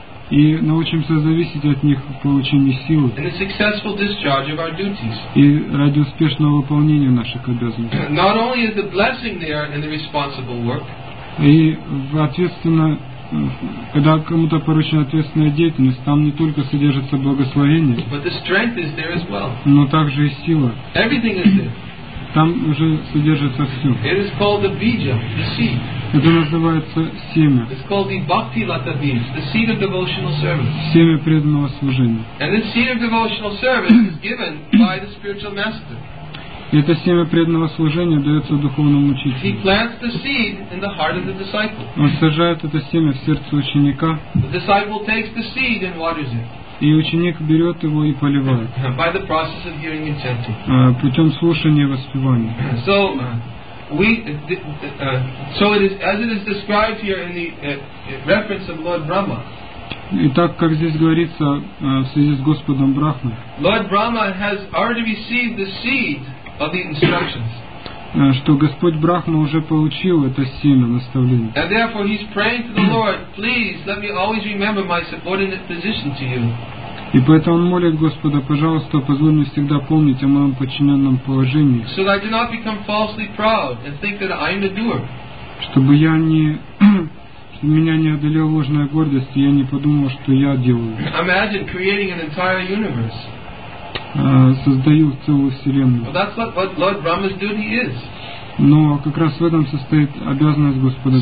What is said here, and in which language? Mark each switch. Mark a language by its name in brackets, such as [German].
[Russian] И научимся зависеть от них в получении силы. [English] And a successful discharge of our duties. [Russian] И ради успешного выполнения наших обязанностей. [English] Not only is the blessing there in the responsible work. [Russian] И ответственно, когда кому-то поручена ответственная деятельность, там не только содержится благословение, [English] but the strength is there as well. [Russian] Но также и сила. [English] Everything is there. [Russian] Там уже содержится все. [English] It is called the bija, the seed. [Russian] Это называется семя. [English] It's called the bhakti lata bija, the seed of devotional service. [Russian] Семя преданного служения. [English] And this seed of devotional service is given by the spiritual master. [Russian] Это семя преданного служения дается духовному учителю. [English] He plants the seed in the heart of the disciple. [Russian] Он сажает это семя в сердце ученика. [English] The disciple takes the seed and waters it. [Russian] И ученик берет его и поливает. [English] By the process of hearing and chanting. [Russian] Путем слушания и воспевания. [English] So, so it is as it is described here in the reference of Lord Brahma. [Russian] Итак, как здесь говорится в связи с Господом Брахмой. [English] Lord Brahma has already received the seed of the instructions. [Russian] Что Господь Брахма уже получил это семя наставления. [English] And therefore he's praying to the Lord, please let me always remember my subordinate position to you. [Russian] И поэтому он молит Господа, пожалуйста, позволь мне всегда помнить о моем подчиненном положении. [English] So that I do not become falsely proud and think that I am the doer. [Russian] Чтобы я не... чтобы меня не одолела ложная гордость, и я не подумал, что я делаю. [English] Imagine creating an entire universe. [Russian] Создаю целую вселенную. [English] Well, that's what Lord Brahma's duty is. [Russian] Но как раз в этом состоит обязанность Господа